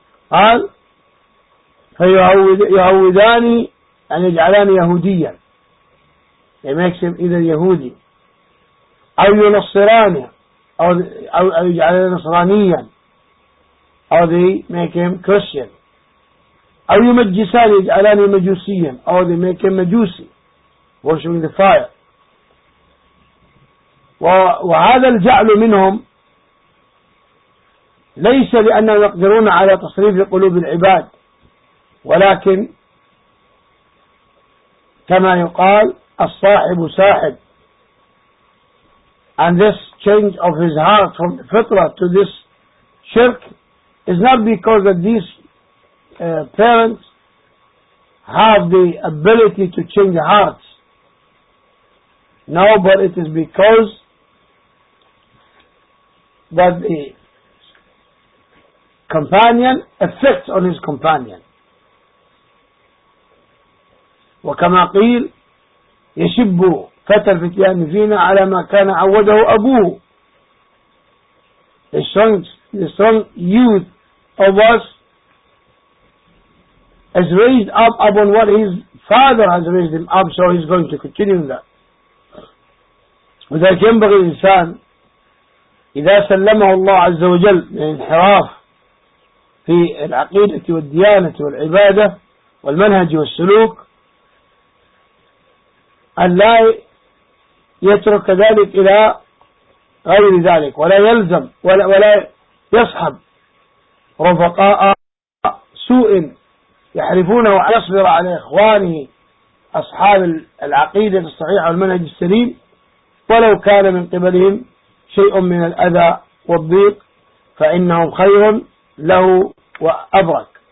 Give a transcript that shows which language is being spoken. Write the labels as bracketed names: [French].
[Arabic] قال فيعوداني أن يجعلان يهوديا. [English] They make him either [Arabic] يهودي أو ينصراني أو يجعلان نصرانيا أو [English] they make him Christian [Arabic] أو يمجسان يجعلان مجوسيا أو [English] they make him مجوسي worshiping the fire. [Arabic] وهذا الجعل منهم ليس لأنهم يقدرون على تصريف قلوب العباد ولكن كما يقال الصاحب ساحب. [English] And this change of his heart from fitra to this shirk is not because that these parents have the ability to change hearts. No, but it is because that the companion affects on his companion. [Arabic] وكما قيل يشب فتى الفتيان فينا على ما كان عوده أبوه. [English] The strong youth of us is raised up upon what his father has raised him up, so he's going to continue that. [Arabic] وذلك ينبغي الإنسان إذا سلمه الله عز وجل من انحراف في العقيدة والديانة والعبادة والمنهج والسلوك أن لا يترك ذلك إلى غير ذلك، ولا يلزم ولا يصحب رفقاء سوء يحرفونه أن يصبر على إخوانه أصحاب العقيدة الصحيحة والمنهج السليم، ولو كان من قبلهم شيء من الأذى والضيق فإنهم خير له وأبرك.